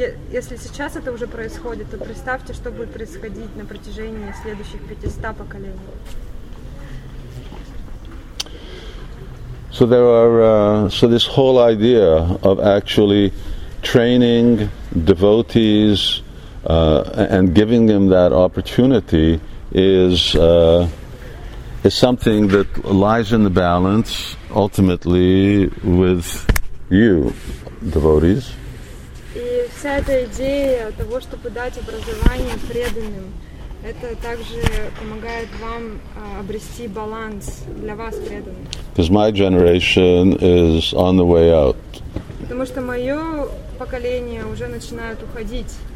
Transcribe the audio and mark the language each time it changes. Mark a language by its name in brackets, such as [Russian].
[Russian] Если сейчас это уже происходит, то представьте, что будет происходить на протяжении следующих 500 поколений. [English] So there are so this whole idea of actually training devotees and giving them that opportunity is something that lies in the balance ultimately with you, devotees. [Russian] Вся эта идея того, чтобы дать образование преданным, это также помогает вам обрести баланс для вас преданных. [English] Because my generation is on the way out. [Russian] Потому что мое поколение уже начинает уходить.